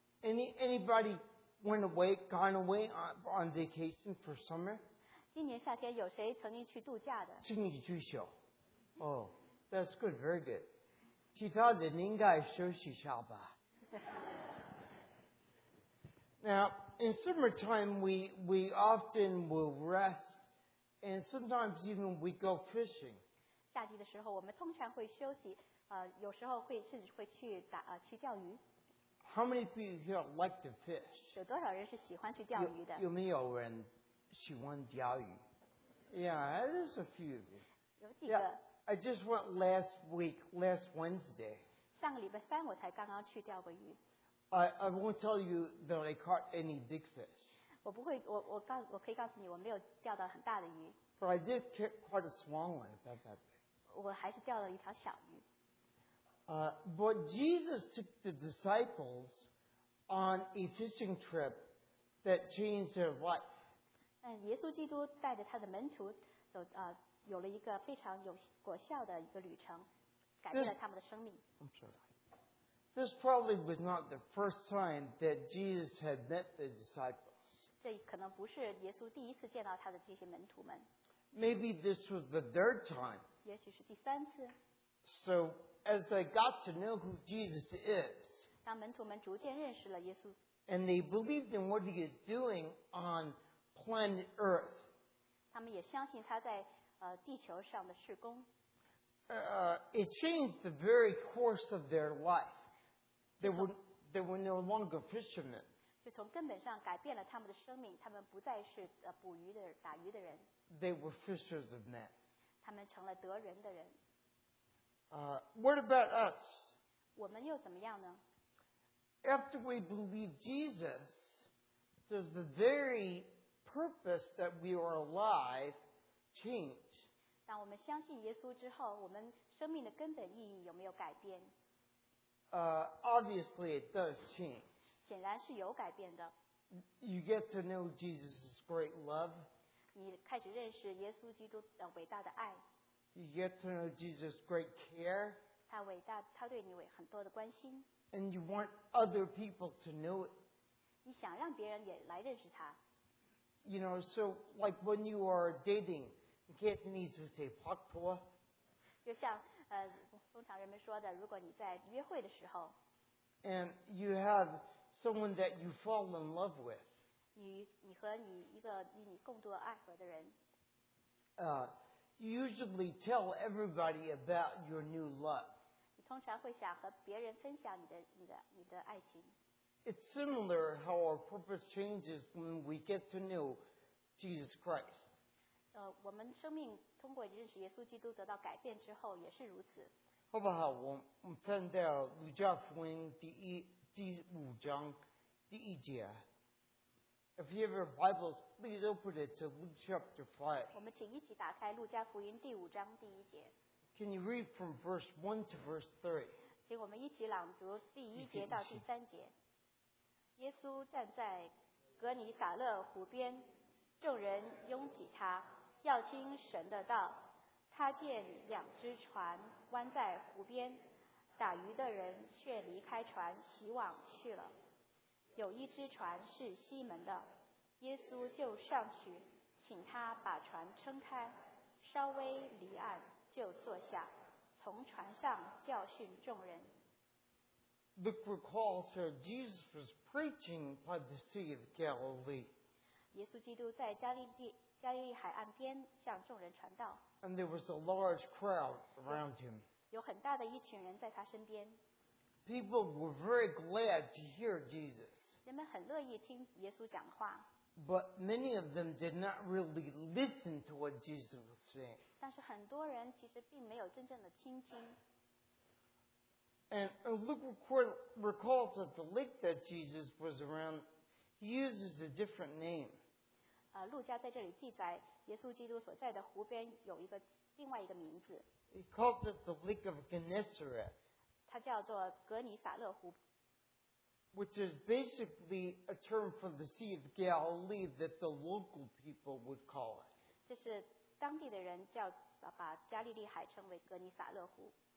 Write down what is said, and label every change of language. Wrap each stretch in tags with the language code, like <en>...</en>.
<en>Anybody went away, gone away on vacation for summer?</en> <zh>今年夏天有谁曾经去度假的？请你举手。</zh> <en>Oh, that's good, very good.</en> <zh>其他的应该休息一下吧。</zh> <en>Now, in summertime, we often will rest, and sometimes even we go fishing.</en> <zh>夏季的时候，我们通常会休息，有时候会甚至会去打去钓鱼。</zh> <en>How many people here like to fish?</en> <zh>有多少人是喜欢去钓鱼的？有没有人喜欢钓鱼？</zh> <en>Yeah, there's a few of you.</en> <zh>有几个。</zh> <en>I just went last week, last Wednesday.</en> <zh>上个礼拜三我才刚刚去钓过鱼。</zh> <en>I won't tell you that I caught any big fish.</en> <zh>我不会，我可以告诉你，我没有钓到很大的鱼。</zh> <en>But I did catch quite a small one, about that big.</en> <zh>我还是钓了一条小鱼。</zh> <en>But Jesus took the disciples on a fishing trip that changed their life.</en> <zh>耶稣基督带着他的门徒走有了一个非常有果效的一个旅程，改变了他们的生命。</zh> <en>I'm sorry. This probably was not the first time that Jesus had met the disciples.</en> <zh>这可能不是耶稣第一次见到他的这些门徒们。</zh> <en>Maybe this was the third time.</en> <zh>也许是第三次。</zh> <en>So as they got to know who Jesus is,</en> <zh>当门徒们逐渐认识了耶稣，</zh> <en>and they believed in what he is doing on planet Earth.</en> <zh>他们也相信他在地球上的事工。</zh> <en>It changed the very course of their life. They were no longer fishermen.</en> <zh>就从根本上改变了他们的生命，他们不再是捕鱼的、打鱼的人。</zh> <en>They were fishers of men.</en> <zh>他们成了得人的人。</zh> <en>What about us?</en> <zh>我们又怎么样呢？</zh> <en>After we believe Jesus, does the very purpose that we are alive change?</en> <zh>当我们相信耶稣之后，我们生命的根本意义有没有改变？</zh> <en>Obviously it does change.</en> <zh>显然是有改变的。</zh> <en>You get to know Jesus' great love.</en> <zh>你开始认识耶稣基督的伟大的爱。</zh> <en>You get to know Jesus' great care.</en> <zh>他伟大，他对你很多的关心。</zh> <en>And you want other people to know it.</en> <zh>你想让别人也来认识他。</zh> <en>You know, so like when you are dating, Cantonese would say, Pak Poa.</en> <zh>就像通常人们说的，如果你在约会的时候。</zh> <en>And you have someone that you fall in love with.</en> <zh>你和你一个与你共度爱河的人。</zh> <en>You usually tell everybody about your new love.</en> <zh>你通常会想和别人分享你的爱情。</zh> <en>It's similar how our purpose changes when we get to know Jesus Christ.</en> <zh>我们生命通过认识耶稣基督得到改变之后也是如此。好不好？我们翻到《路加福音》第五章第一节。</zh> <en>If you have your Bibles, please open it to Luke chapter 5.</en> <zh>我们请一起打开路加福音第五章第一节。</zh> <en>Can you read from verse 1 to verse 3?</en> <zh>请我们一起朗读第一节到第三节。耶稣站在格尼撒勒湖边，众人拥挤他，要听神的道。他见两只船弯在湖边，打鱼的人却离开船洗网去了。有一只船是西门的，耶稣就上去请他把船撑开，稍微离岸就坐下，从船上教训众人。</zh> <en>Luke recalls that Jesus was preaching by the Sea of Galilee.</en> <zh>耶稣基督在加利利海岸边向众人传道。</zh> <en>And there was a large crowd around him.</en> <zh>有很大的一群人在他身边。</zh> <en>People were very glad to hear Jesus.</en> <zh>人们很乐意听耶稣讲话。</zh> <en>But many of them did not really listen to what Jesus was saying.</en> <zh>但是很多人其实并没有真正的倾听。</zh> <en>And Luke recalls that the lake that Jesus was around, he uses a different name.</en> <zh>路加在这里记载，耶稣基督所在的湖边有另外一个名字。</zh> <en>He calls it the Lake of Gennesaret.</en> <zh>它叫做格尼撒勒湖。</zh> <en>Which is basically a term for the Sea of Galilee that the local people would call it.</en> <zh>这是当地的人把加利利海称为格尼撒勒湖。</zh>